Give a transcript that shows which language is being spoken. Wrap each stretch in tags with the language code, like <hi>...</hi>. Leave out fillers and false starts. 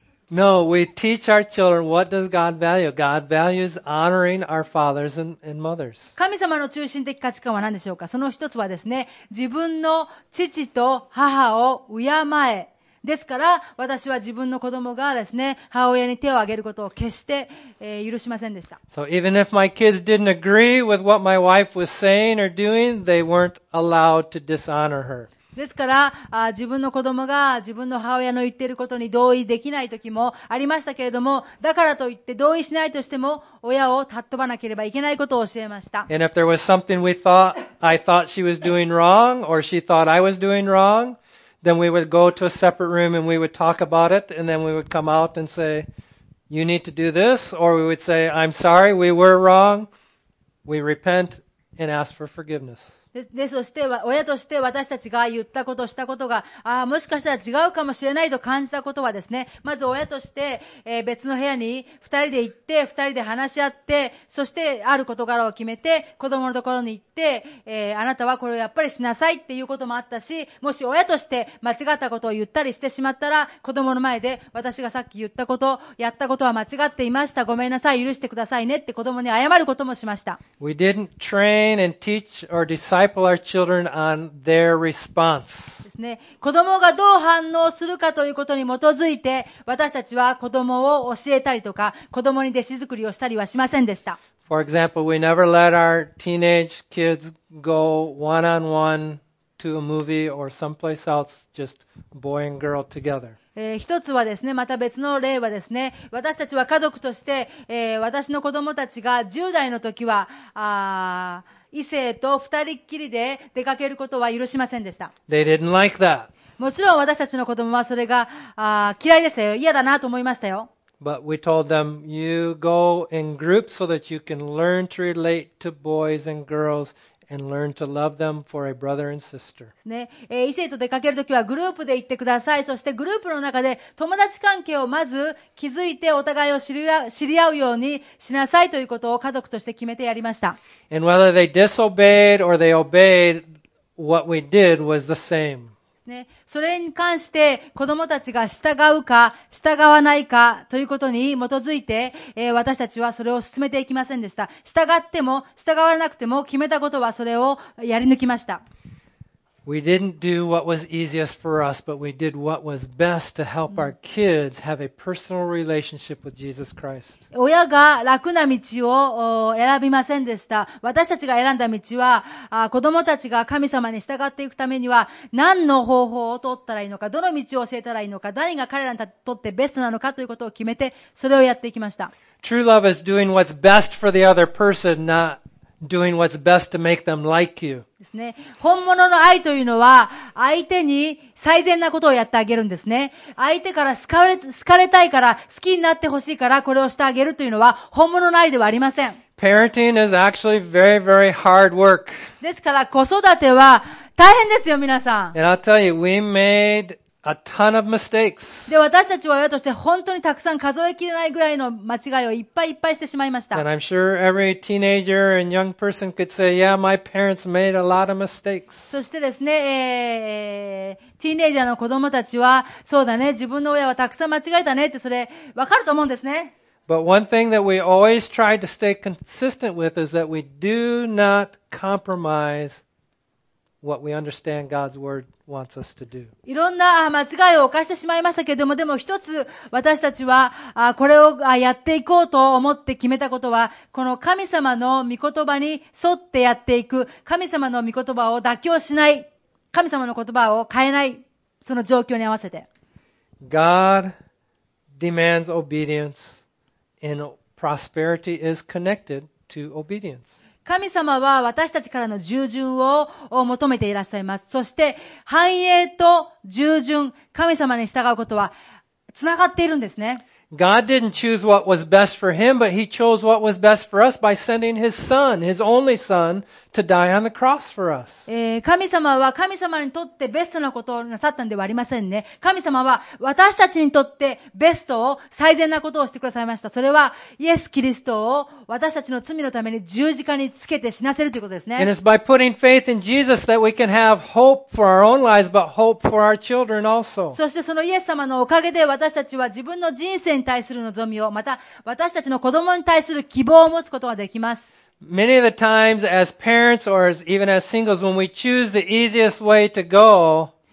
<en>No, we teach our children what does God value. God values honoring our fathers and mothers.</en> <ja>神様の中心的価値観は何でしょうか。その一つはですね、自分の父と母を敬え。ですから私は自分の子供がですね、母親に手を挙げることを決して、許しませんでした。</ja> <en>So even if my kids didn't agree with what my wife was saying or doing, they weren't allowed to dishonor her.</en> <ja>ですから、自分の子供が自分の母親の言っていることに同意できない時もありましたけれども、だからといって同意しないとしても、親を尊ばなければいけないことを教えました。</ja> <en>And if there was something we thought, I thought she was doing wrong, or she thought I was doing wrong, then we would go to a separate room and we would talk about it, and then we would come out and say, you need to do this, or we would say, I'm sorry, we were wrong, we repent and ask for forgiveness.</en> <ja>で、そして、親として私たちが言ったこと、したことが、もしかしたら違うかもしれないと感じたことはですね、まず親として、別の部屋に二人で行って、二人で話し合って、そして、ある事柄を決めて、子供のところに行って、あなたはこれをやっぱりしなさいっていうこともあったし、もし親として間違ったことを言ったりしてしまったら、子供の前で、私がさっき言ったこと、やったことは間違っていました。ごめんなさい、許してくださいねって子供に謝ることもしました。</ja> <en>We didn't train and teach or disciple our children on their response.</en> <ja>ですね、子供がどう反応するかということに基づいて、私たちは子供を教えたりとか、子供に弟子作りをしたりはしませんでした。</ja> <en>For example, we never let our teenage kids go one-on-one to a movie or someplace else, just boy and girl together.</en> <ja>一つはですね、また別の例はですね、私たちは家族として、私の子供たちが10代の時は、異性と二人っきりで出かけることは許しませんでした。</ja> <en>They didn't like that.</en> <ja>もちろん私たちの子供はそれが、嫌いでしたよ。嫌だなと思いましたよ。</ja> <en>But we told them, you go in groups so that you can learn to relate to boys and girls. And learn to love them for a brother and sister.</en> <ja>ですね。異性と出かけるときはグループで行ってください。そしてグループの中で友達関係をまず築いてお互いを知り合うようにしなさいということを家族として決めてやりました。</ja> <en>And whether they disobeyed or they obeyed, what we did was the same.</en> <ja>ですね。それに関して子供たちが従うか従わないかということに基づいて、私たちはそれを進めていきませんでした。従っても従わなくても決めたことはそれをやり抜きました。</ja> <en>We didn't do what was easiest for us, but we did what was best to help our kids have a personal relationship with Jesus Christ.</en> <ja>親が楽な道を選びませんでした。私たちが選んだ道は、子供たちが神様に従っていくためには、何の方法を取ったらいいのか、どの道を教えたらいいのか、誰が彼らにとってベストなのかということを決めて、それをやっていきました。</ja> <en>True love is doing what's best for the other person, notDoing what's best to make them like you.</en> <ja>ですね。本物の愛というのは、相手に最善なことをやってあげるんですね。相手から好かれたいから、好きになってほしいから、これをしてあげるというのは、本物の愛ではありません。</ja> <en>Parenting is actually very, very hard work.</en> <ja>ですから、子育ては大変ですよ、皆さん。</ja> <en>And I'll tell you, we made a ton of mistakes.</en> <ja>で、私たちは親として、本当にたくさん数えきれないぐらいの間違いをいっぱいいっぱいしてしまいました。</ja> <en>And I'm sure every teenager and young person could say, yeah, my parents made a lot of mistakes.</en> <ja>そしてですね、ティーネイジャーの子供たちは、そうだね、自分の親はたくさん間違えたねって、それ、わかると思うんですね。</ja> <en>But one thing that we always try to stay consistent with is that we do not compromise what we understand God's word. Wants us to do.</en> <ja>いろんな間違いを犯してしまいましたけれども、でも一つ私たちはこれをやっていこうと思って決めたことは、この神様の御言葉に沿ってやっていく、神様の御言葉を妥協しない、神様の言葉を変えない、その状況に合わせて。</ja> <en>God demands obedience, and prosperity is connected to obedience.</en> <ja>神様は私たちからの従順を求めていらっしゃいます。そして繁栄と従順、神様に従うことはつながっているんですね。</ja> <en>God didn't choose what was best for him, but he chose what was best for us by sending his son, his only son, to die on the cross for us.</en> <ja>神様は神様にとってベストなことをなさったんではありませんね。神様は私たちにとってベストを、最善なことをしてくださいました。それはイエス・キリストを私たちの罪のために十字架につけて死なせるということですね。</ja> <en>And it's by putting faith in Jesus that we can have hope for our own lives, but hope for our children also.</en> <ja>そしてそのイエス様のおかげで私たちは自分の人生に対する望みを、また私たちの子供に対する希望を持つことができます。</ja> <en>Many of the times, as parents or as even as singles, when we choose the easiest way to go,</en>